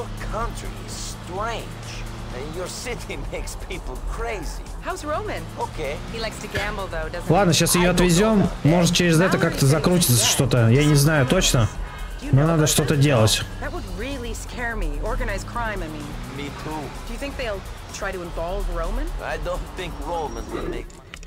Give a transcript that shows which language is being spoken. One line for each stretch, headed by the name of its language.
English: Country is strange, and your city makes people crazy. How's Roman? Okay. He likes to gamble, though, doesn't he?
Russian: Ладно, сейчас ее отвезем. Может, через это как-то закрутится что-то. Я не знаю точно, но надо что-то делать.
English: That would really scare me. Organized crime, I mean. Me too. Do you think they'll try to involve Roman? I don't think Roman will make money.